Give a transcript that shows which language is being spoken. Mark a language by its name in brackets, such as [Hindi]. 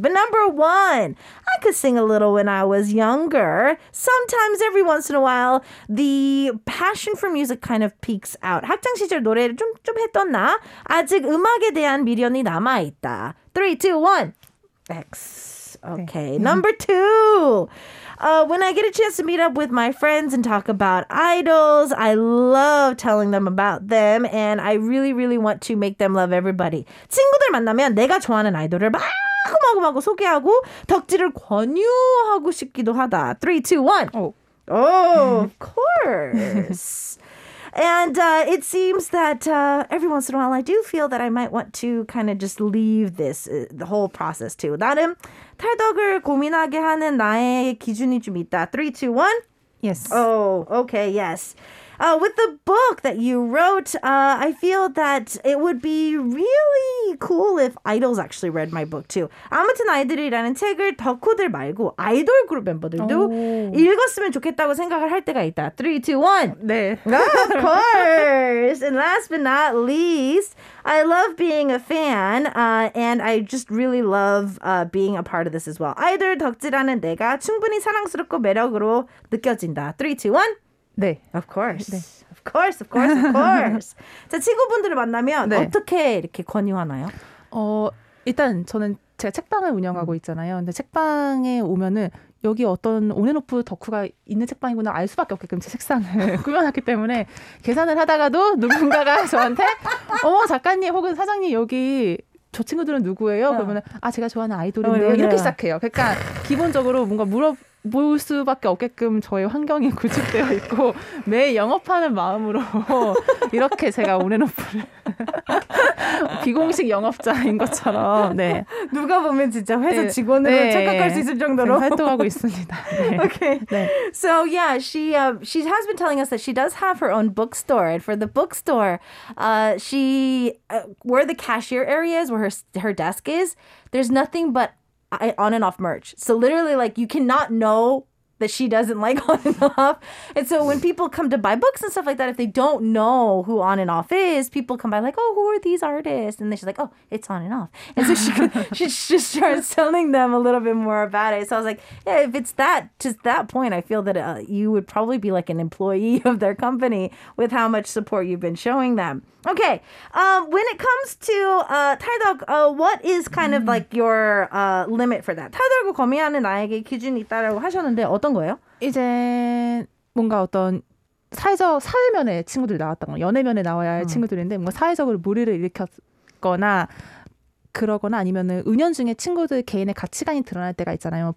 [English] But number one, I could sing a little when I was younger. Sometimes, every once in a while, the passion for music kind of peaks out. [Korean] 학창 시절 노래를 좀 했었나? 아직 음악에 대한 미련이 남아있다. [English] 3, 2, 1. X. Okay, number two. When I get a chance to meet up with my friends and talk about idols, I love telling them about them, and I really, really want to make them love everybody. [Korean] 친구들 만나면 내가 좋아하는 아이돌을 마구마구 소개하고 덕질을 권유하고 싶기도 하다. [English] 3, 2, 1. Oh, of course. And it seems that every once in a while, I do feel that I might want to kind of just leave this, the whole process too. [Korean] 나는 탈덕을 고민하게 하는 나의 기준이 좀 있다. [English] 3, 2, 1? Yes. Oh, okay, yes. With the book that you wrote, I feel that it would be really cool if idols actually read my book too. [Korean] 아무튼 아이들이라는 책을 덕후들 말고 아이돌 그룹 멤버들도 읽었으면 좋겠다고 생각을 할 때가 있다. [English] 3, 2, 1. [Korean] 네. [English] Of course. And last but not least, I love being a fan and I just really love being a part of this as well. [Korean] 아이돌 덕질하는 내가 충분히 사랑스럽고 매력으로 느껴진다. [English] 3, 2, 1. [Korean] 네. [English] Of course. [Korean] 네. [English] Of course. Of course. Of course. [Korean] 자, 친구분들을 만나면 네. 어떻게 이렇게 권유하나요? 일단 저는 제가 책방을 운영하고 있잖아요. 근데 책방에 오면은 여기 어떤 온앤오프 덕후가 있는 책방이구나 알 수밖에 없게끔 제 책상을 꾸며놨기 때문에 계산을 하다가도 누군가가 저한테 어머 작가님 혹은 사장님 여기 저 친구들은 누구예요? 그러면 아 제가 좋아하는 아이돌인데요. 이렇게 시작해요. 그러니까 기본적으로 뭔가 볼 수밖에 없게끔 저의 환경이 구축되어 있고 매일 영업하는 마음으로 이렇게 제가 온앤오프를 비공식 영업자인 것처럼 네. 누가 보면 진짜 회사 직원으로 네, 착각할 네, 수 있을 정도로 활동하고 있습니다. 네. [English] Okay. [Korean] 네. [English] So yeah, she has been telling us that she does have her own bookstore. And for the bookstore, where the cashier area is, where her desk is, there's nothing but on and off merch. So literally, like, you cannot know that she doesn't like on and off. And so when people come to buy books and stuff like that, if they don't know who on and off is, people come by like, oh, who are these artists? And then she's like, oh, it's on and off. And so she just starts telling them a little bit more about it. So I was like, yeah, if it's that, to that point, I feel that you would probably be like an employee of their company with how much support you've been showing them. Okay. When it comes to Taidok, what is kind of like your limit for that? [Korean] Taidok을 거미하는 나에게 기준이 있다라고 하셨는데 어떤 거예요? 이제 뭔가 어떤 사회적 사회면의 친구들이 나왔던 거, 연애면에 나와야 할 친구들인데 뭔가 사회적으로 무리를 일으켰거나 그러거나 아니면은 은연중에 친구들 개인의 가치관이 드러날 때가 있잖아요.